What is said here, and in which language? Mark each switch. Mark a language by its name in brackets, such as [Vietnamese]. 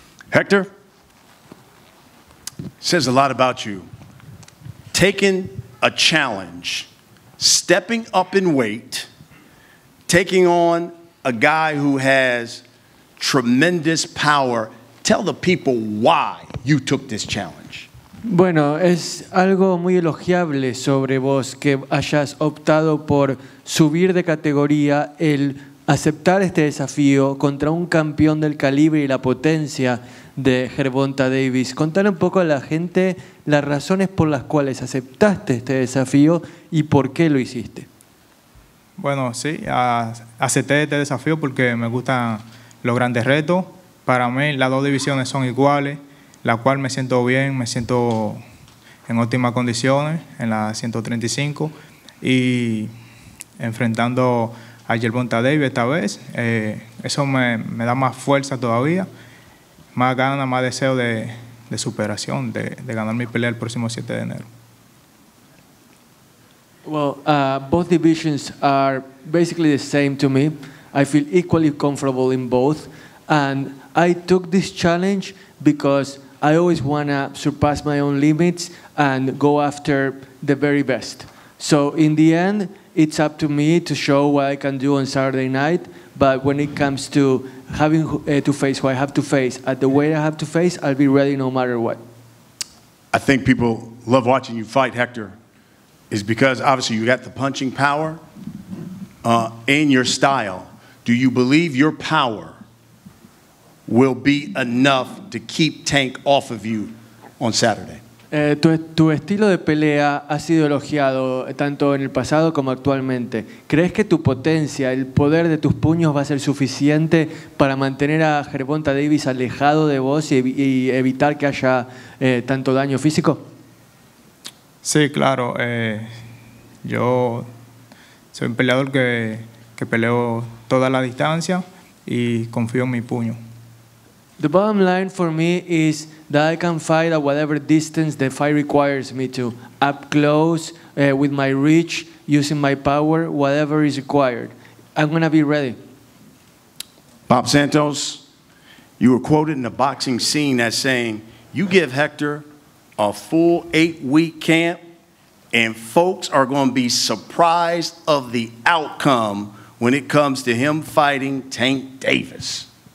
[English] Hector, says a lot about you. Taking a challenge, stepping up in weight, taking on a guy who has tremendous power. Tell the people why you took this challenge. [Spanish] Bueno, es algo muy elogiable sobre vos que hayas optado por subir de categoría, el aceptar este desafío contra un campeón del calibre y la potencia de Gervonta Davis. Contale un poco a la gente las razones por las cuales aceptaste este desafío y por qué lo hiciste. Bueno, sí, acepté este desafío porque me gustan los grandes retos. Para mí las dos divisiones son iguales. La cual me siento bien, me siento en óptimas condiciones, en la 135, y enfrentando a Gervonta Davis esta vez, eso me da más fuerza todavía, más ganas, más deseo de superación, de ganar mi pelea el próximo 7 de enero. [English] Well, both divisions are basically the same to me. I feel equally comfortable in both, and I took this challenge because I always want to surpass my own limits and go after the very best. So in the end, it's up to me to show what I can do on Saturday night. But when it comes to having to face who I have to face, at the weight I have to face, I'll be ready no matter what. I think people love watching you fight, Hector, is because obviously you got the punching power and your style. Do you believe your power will be enough to keep Tank off of you on Saturday? [Spanish] Tu estilo de pelea ha sido elogiado tanto en el pasado como actualmente. ¿Crees que tu potencia, el poder de tus puños, va a ser suficiente para mantener a Gervonta Davis alejado de vos y evitar que haya tanto daño físico? Sí, claro. Yo soy un peleador que peleo toda la distancia y confío en mi puño. [English] The bottom line for me is that I can fight at whatever distance the fight requires me to. Up close, with my reach, using my power, whatever is required. I'm going to be ready. Bob Santos, you were quoted in a boxing scene as saying, you give Hector a full 8-week camp and folks are going to be surprised of the outcome when it comes to him fighting Tank Davis.